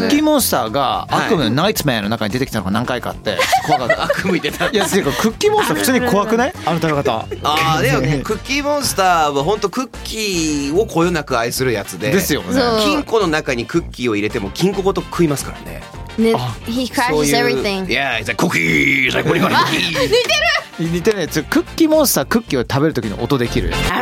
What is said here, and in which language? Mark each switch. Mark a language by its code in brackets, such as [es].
[ja] クッキーモンスターが悪夢のナイトメアの中に出てきたのが何回かあって怖かった。悪夢出た。いや、っていうかクッキーモンスター普通に怖くない？あの食べ方。ああ、でもクッキーモンスターはほんとクッキーをこよなく愛するやつで、ですよね。金庫の中にクッキーを入れても金庫ごと食いますからね。 [en] ね、he crashes everything. Yeah, he's like cookie, he's like what are you doing? [ja] 似てる。似てるね。クッキーモンスター、クッキーを食べる時の音できる。